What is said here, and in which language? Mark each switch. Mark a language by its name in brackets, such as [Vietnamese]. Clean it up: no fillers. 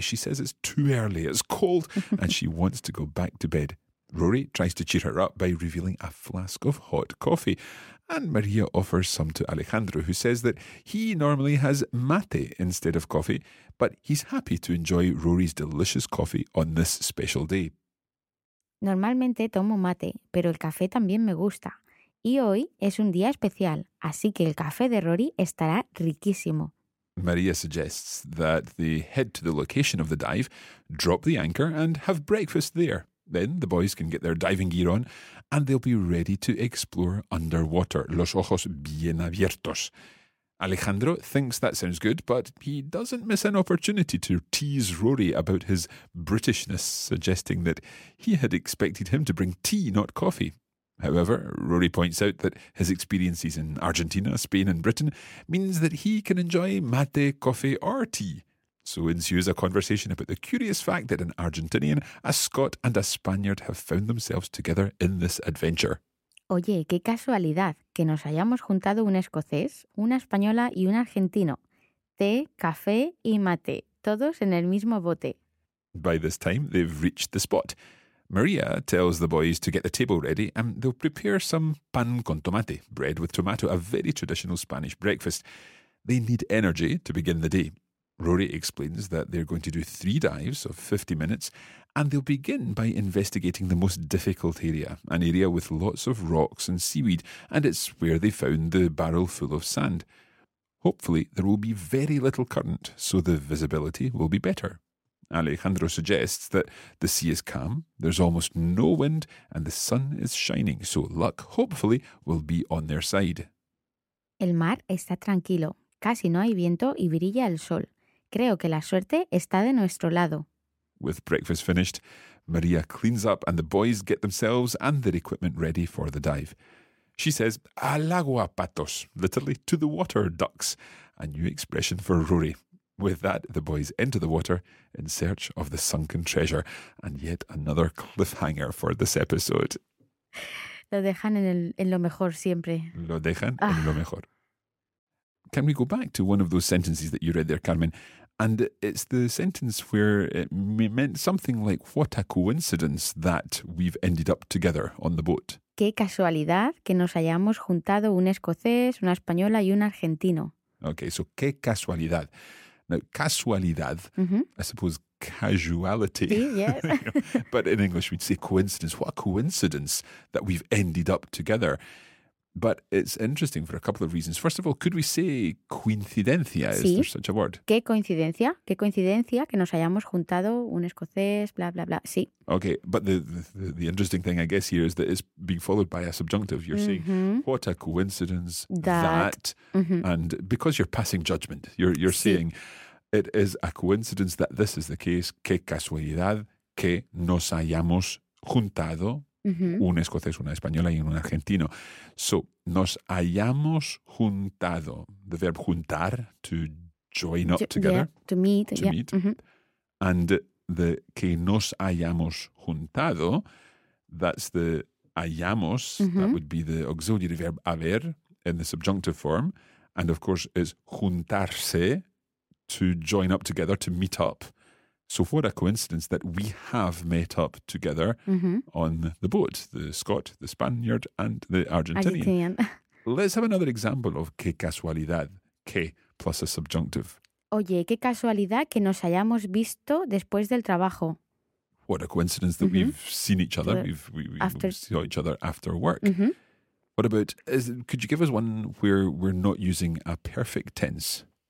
[English] She says it's too early, it's cold, and she wants to go back to bed. Rory tries to cheer her up by revealing a flask of hot coffee, and Maria offers some to Alejandro, who says that he normally has mate instead of coffee, but he's happy to enjoy Rory's delicious coffee on this special day. [Spanish] Normalmente tomo mate, pero el café también me gusta. Y hoy es un día especial, así que el café de Rory estará riquísimo. [English] Maria suggests that they head to the location of the dive, drop the anchor and have breakfast there. Then the boys can get their diving gear on and they'll be ready to explore underwater. [Spanish] Los ojos bien abiertos. [English] Alejandro thinks that sounds good, but he doesn't miss an opportunity to tease Rory about his Britishness, suggesting that he had expected him to bring tea, not coffee. However, Rory points out that his experiences in Argentina, Spain and Britain means that he can enjoy mate, coffee or tea. So ensues a conversation about the curious fact that an Argentinian, a Scot and a Spaniard have found themselves together in this adventure. [Spanish] Oye, qué casualidad que nos hayamos juntado un escocés, una española y un argentino. Té, café y mate, todos en el mismo bote. [English] By this time, they've reached the spot. Maria tells the boys to get the table ready and they'll prepare some pan con tomate, bread with tomato, a very traditional Spanish breakfast. They need energy to begin the day. Rory explains that they're going to do 3 dives of 50 minutes and they'll begin by investigating the most difficult area, an area with lots of rocks and seaweed, and it's where they found the barrel full of sand. Hopefully, there will be very little current, so the visibility will be better. Alejandro suggests that the sea is calm, there's almost no wind, and the sun is shining, so luck, hopefully, will be on their side. [Spanish] El mar está tranquilo, casi no hay viento y brilla el sol. Creo que la suerte está de nuestro lado. [English] With breakfast finished, Maria cleans up and the boys get themselves and their equipment ready for the dive. She says, [Spanish] al agua, patos, [English] literally to the water, ducks, a new expression for Rory. With that, the boys enter the water in search of the sunken treasure, and yet another cliffhanger for this episode. [Spanish] Lo dejan en lo mejor siempre. Lo dejan en lo mejor. [English] Can we go back to one of those sentences that you read there, Carmen? And it's the sentence where it meant something like, what a coincidence that we've ended up together on the boat. [Spanish] Qué casualidad que nos hayamos juntado un escocés, una española y un argentino. [English] Okay, so qué casualidad. Now, casualidad, I suppose casuality. [Spanish] Sí, yes. [English] But in English we'd say coincidence. What a coincidence that we've ended up together. But it's interesting for a couple of reasons. First of all, could we say coincidencia? [Spanish] Sí. [English] Is there such a word? [Spanish] ¿Qué coincidencia? ¿Qué coincidencia que nos hayamos juntado un escocés, bla, bla, bla? Sí. [English] Okay, but the interesting thing, I guess, here is that it's being followed by a subjunctive. You're saying, what a coincidence that. And because you're passing judgment, you're saying, it is a coincidence that this is the case. [Spanish] ¿Qué casualidad que nos hayamos juntado? Un escocés, una española y un argentino. So, nos hayamos juntado. [English] The verb juntar, to join up together. Yeah, to meet. To yeah. meet. Mm-hmm. And the [Spanish] que nos hayamos juntado, [English] that's the hayamos, that would be the auxiliary verb haber in the subjunctive form. And of course, it's juntarse, to join up together, to meet up. So what a coincidence that we have met up together on the boat, the Scot, the Spaniard, and the Argentinian. Let's have another example of qué casualidad, qué plus a subjunctive. [Spanish] Oye, qué casualidad que nos hayamos visto después del trabajo. [English] What a coincidence that we've seen each other, we saw each other after work. What about, could you give us one where we're not using a perfect tense?